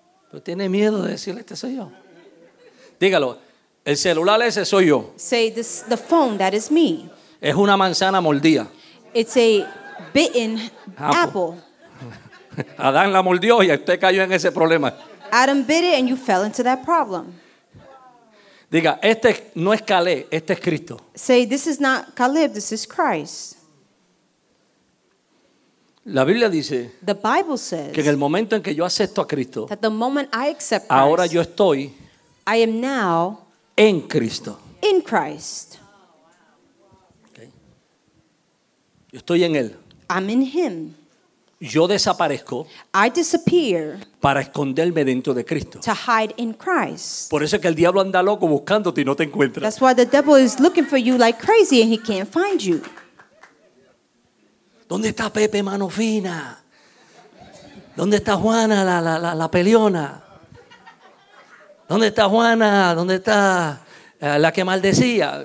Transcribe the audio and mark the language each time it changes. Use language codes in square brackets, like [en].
[es] ¿Pero tiene miedo de decirle, este soy yo? Dígalo. El celular ese soy yo. [en] Say this, the phone that is me. [es] Es una manzana mordida. [en] It's a bitten apple. [es] Adán la mordió y usted cayó en ese problema. [en] Adam bit it and you fell into that problem. [es] Diga, este no es Caleb, este es Cristo. [en] Say this is not Caleb, this is Christ. [es] La Biblia dice, [en] the Bible says, [es] que en el momento en que yo acepto a Cristo, [en] that the moment I accept Christ, [es] ahora yo estoy, [en] I am now, [es] en Cristo. [en] In Christ. [es] Okay. Yo estoy en él. [en] I'm in him. [es] Yo desaparezco. [en] I disappear. [es] Para esconderme dentro de Cristo. [en] To hide in Christ. [es] Por eso es que el diablo anda loco buscándote y no te encuentra. [en] That's why the devil is looking for you like crazy and he can't find you. [es] ¿Dónde está Pepe Mano Fina? ¿Dónde está Juana la peleona? ¿Dónde está Juana? ¿Dónde está la que maldecía?